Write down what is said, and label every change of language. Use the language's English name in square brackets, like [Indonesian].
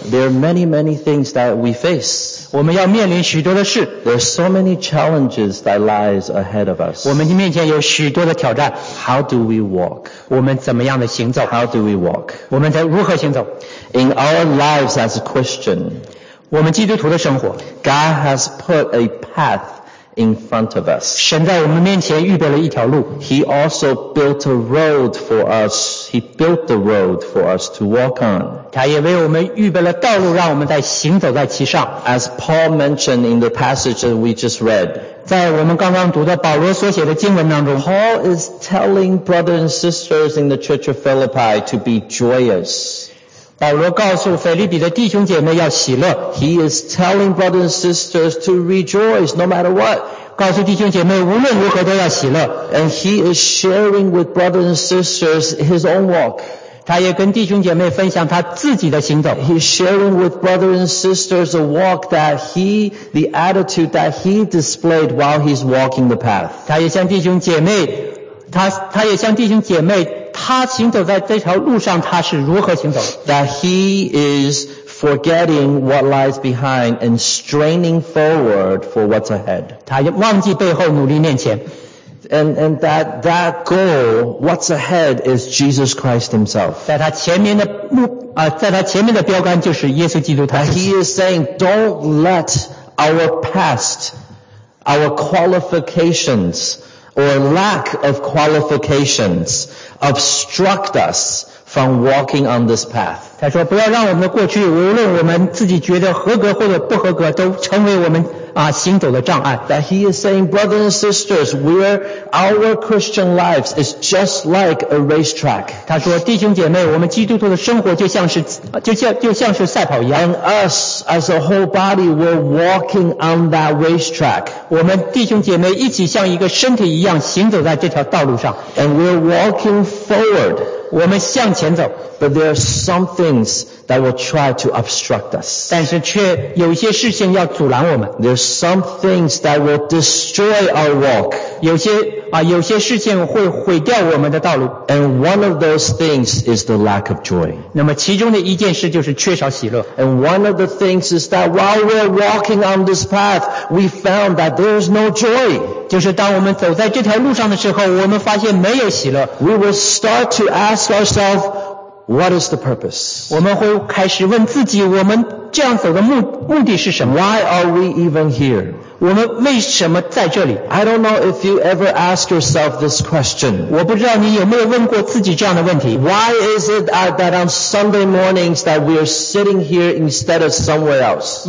[English] There are many, many things that we face. [Chinese] 我们要面临许多的事。 [English] There are so many challenges that lies ahead of us. [Chinese] 我们面前有许多的挑战。 [English] How do we walk? [Chinese] 我们怎么样的？ [English] How do we walk? [Chinese] 我们在如何行走？ [English] In our lives as a Christian, [Chinese] 我们基督徒的生活， [English] God has put a path in front of us. [Chinese] 神在我们面前预备了一条路。 [English] He also built a road for us. He built the road for us to walk on. [Chinese] 他也为我们预备了道路，让我们在行走在其上。 [English] As Paul mentioned in the passage that we just read, [Chinese] 在我们刚刚读的保罗所写的经文当中， [English] Paul is telling brothers and sisters in the church of Philippi to be joyous. [Chinese] 保罗告诉腓立比的弟兄姐妹要喜乐。 [English] He is telling brothers and sisters to rejoice no matter what. [Chinese] 告诉弟兄姐妹无论如何都要喜乐。 [English] And he is sharing with brothers and sisters his own walk. [Chinese] 他也跟弟兄姐妹分享他自己的行走。 [English] He is sharing with brothers and sisters a walk that he, the attitude that he displayed while he's walking the path. [Chinese] 他也向弟兄姐妹他也向弟兄姐妹他行走在这条路上他是如何行走。 [English] That he is forgetting what lies behind and straining forward for what's ahead. [Chinese] 他忘记背后努力面前。 [English] And that goal, what's ahead is Jesus Christ himself. [Chinese] 在他前面的目在他前面的标杆就是耶稣基督他。 [English] He is saying, don't let our past, our qualifications,or lack of qualifications obstruct us from walking on this path. [Chinese] 他说不要让我们的过去无论我们自己觉得合格或者不合格都成为我们行走的障碍。 [English] That he is saying, brothers and sisters, our Christian lives is just like a racetrack. [Chinese] 他说弟兄姐妹我们基督徒的生活就像是赛跑一样。 [English] And us as a whole body were walking on that racetrack. [Chinese] 我们弟兄姐妹一起像一个身体一样行走在这条道路上。 [English] And we're walking forward. [Chinese] 我们向前走 [English] But there are some things that will try to obstruct us. [Chinese] 但是却有些事情要阻拦我们 [English] There are some things that will destroy our walk. [Chinese] 有些事情会毁掉我们的道路 [English] And one of those things is the lack of joy. [Chinese] 那么其中的一件事就是缺少喜乐 [English] And one of the things is that while we're walking on this path, we found that there is no joy. [Chinese] 就是当我们走在这条路上的时候我们发现没有喜乐 [English] We will start to ask ourselves What is the purpose? [Chinese] 我们会开始问自己我们这样走的目的是什么 [English] Why are we even here? [Chinese] 我们为什么在这里 [English] I don't know if you ever ask yourself this question [Chinese] 我不知道你有没有问过自己这样的问题 [English] Why is it that on Sunday mornings that we are sitting here instead of somewhere else?